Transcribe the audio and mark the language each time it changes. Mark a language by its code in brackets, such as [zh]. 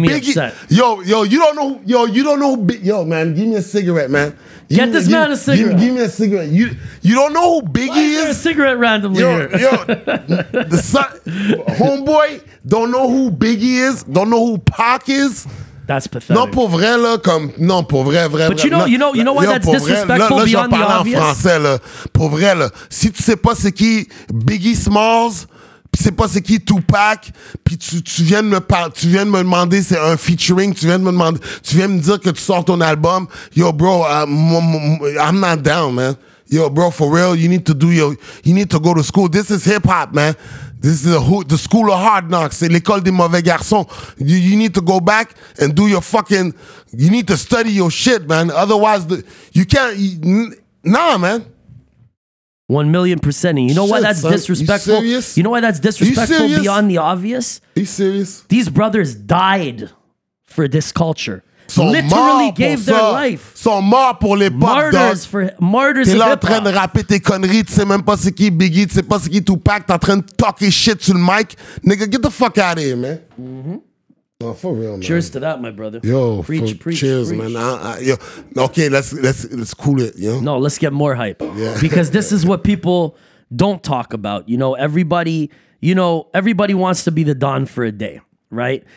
[en] Biggie. Me upset. Yo, man, give me a cigarette, man. Get this man a cigarette. Give me a cigarette. You don't know who Biggie Why is there is? A cigarette randomly yo, here? Yo, the son, homeboy, don't know who Biggie is. Don't know who Pac is. That's pathetic. [fr] Non pour vrai là, comme non pour vrai, vrai. [en] But you know why that's disrespectful beyond the obvious. [fr] Là, j'en parle en français là. Pour vrai là, si tu sais pas c'est qui Biggie Smalls, puis c'est pas c'est qui Tupac, puis tu viens me demander c'est un featuring, tu viens me dire que tu sors ton album, [en] yo bro, I'm not down, man. Yo bro, for real, you need to go to school. This is hip hop, man. This is the school of hard knocks. [fr] C'est l'école des mauvais garçons. [en] You need to go back and do your fucking... You need to study your shit, man. Otherwise, you can't... Nah, man. 1,000,000%. You know why that's disrespectful? You serious? You know why that's disrespectful beyond the obvious? Are you serious? These brothers died for this culture. So literally gave their life. [fr] Sont morts pour les [en] martyrs dogs. For martyrs. [fr] T'es là en train de rapper tes conneries. Tu sais même pas c'est qui Biggie. Tu sais pas c'est qui Tupac. T'es en train de talker shit sur le mic. [en] Nigga, get the fuck out of here, man. Mm-hmm. Oh, for real, man. Cheers to that, my brother. Yo, preach, man. Okay, let's cool it. You know? No, let's get more hype. Yeah. Because this is what people don't talk about. You know, everybody wants to be the Don for a day. Right?